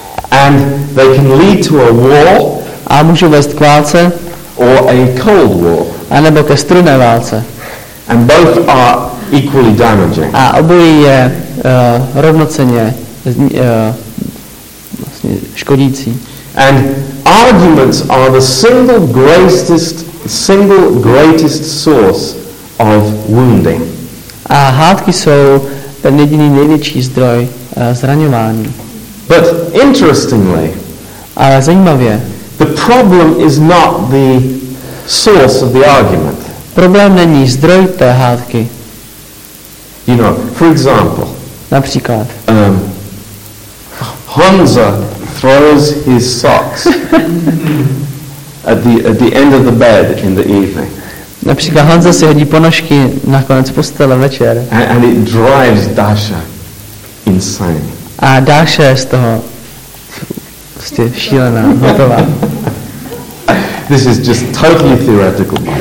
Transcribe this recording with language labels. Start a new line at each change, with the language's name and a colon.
English: And they can lead to a war.
Czech: A můžou vést k válce.
English: Or a cold war.
Czech: A nebo ke studené válce.
English: And both are equally damaging.
Czech: A obojí je rovnocenně vlastně škodící.
English: And arguments are the single greatest source of wounding.
Czech: A hádky jsou ten jediný největší zdroj zraňování.
English: But interestingly,
Czech: ale zajímavě,
English: the problem is not the source of the argument.
Czech: Problém není zdroj té hádky.
English: You know, for example,
Czech: například,
English: Honza throws his socks at the end of the bed in the evening.
Czech: Například Honza si hodí ponožky na konec postele večer.
English: And it drives Dasha insane.
Czech: A Dasha je z toho prostě šílená, hotová.
English: This is just totally theoretical.